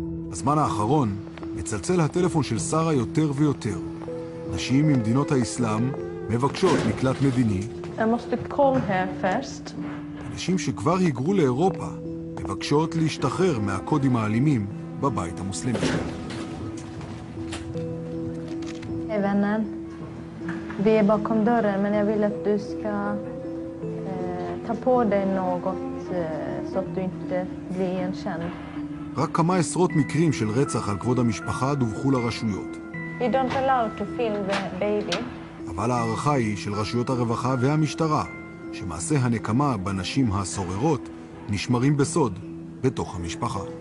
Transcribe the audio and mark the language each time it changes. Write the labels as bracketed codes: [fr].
[he] בזמן האחרון מצלצל הטלפון של שרה יותר ויותר. נשים ממדינות האסלאם מבקשות מקלט מדיני. [en] I must call her first. [he] נשים שכבר היגרו לאירופה מבקשות להשתחרר מהקודים האלימים בבית המוסלמי. [sv] Hey, Vennan. Vi är bakom dörren, men jag vill att du ska ta på dig något så att du inte blir igenkänd. [he] רק כמה עשרות מקרים של רצח על כבוד המשפחה דווחו לרשויות. [en] You don't allow to film the baby. [he] אבל הערכה היא של רשויות הרווחה והמשטרה, שמעשה הנקמה בנשים הסוררות נשמרים בסוד בתוך המשפחה.